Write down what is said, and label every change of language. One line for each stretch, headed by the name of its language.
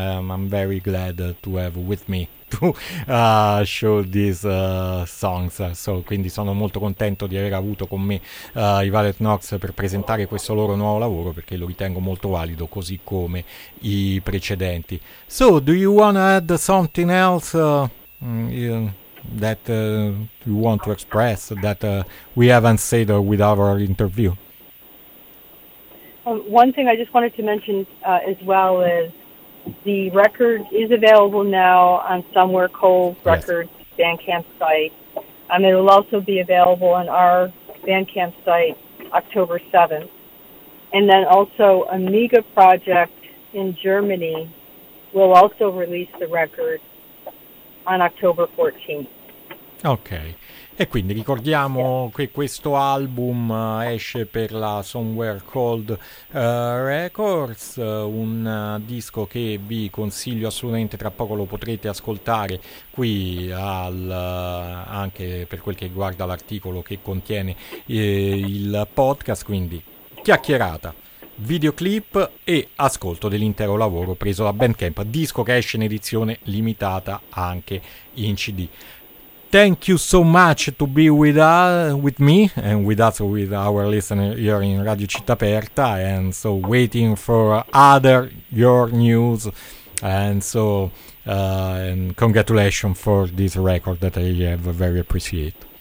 English: I'm very glad to have with me to show these songs.
Italian: So quindi sono molto contento di aver avuto con me i Violet Knox per presentare questo loro nuovo lavoro, perché lo ritengo molto valido, così come i precedenti.
English: So do you want to add something else that you want to express that we haven't said with our interview? One thing I just wanted to mention as well is the record is available now on Somewhere Cold Records Bandcamp site. It will also be available on our Bandcamp site October 7th. And then also Amiga Project in Germany will also release the record on October 14th. Okay.
Italian: E quindi ricordiamo che questo album esce per la Somewhere Cold Records, un disco che vi consiglio assolutamente, tra poco lo potrete ascoltare qui anche per quel che riguarda l'articolo che contiene il podcast, quindi chiacchierata videoclip e ascolto dell'intero lavoro preso da Bandcamp, disco che esce in edizione limitata anche in CD.
English: Thank you so much to be with me and with us, with our listener here in Radio Città Aperta, and so waiting for other your news, and so and congratulations for this record that I have very appreciate.